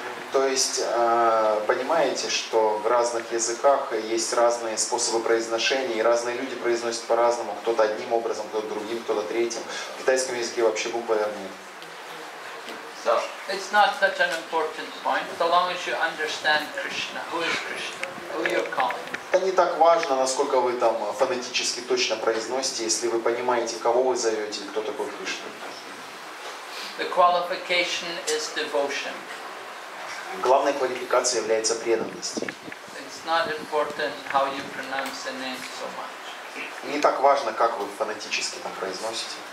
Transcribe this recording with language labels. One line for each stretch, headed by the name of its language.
Russian: То есть, понимаете, что в разных языках есть разные способы произношения, и разные люди произносят по-разному, кто-то одним образом, кто-то другим, кто-то третьим. В китайском языке вообще буквы разные.
English: So, it's not such an important point, so long as you understand Krishna. Who is Krishna? Who you're calling?
Russian: Это не так важно, насколько вы там фонетически точно произносите, если вы понимаете, кого вы зовете и кто такой Кришна.
English: The qualification is devotion.
Russian: Главной квалификацией является преданность.
English: It's not important how you pronounce the name so much.
Russian: Не так важно, как вы фонетически там произносите.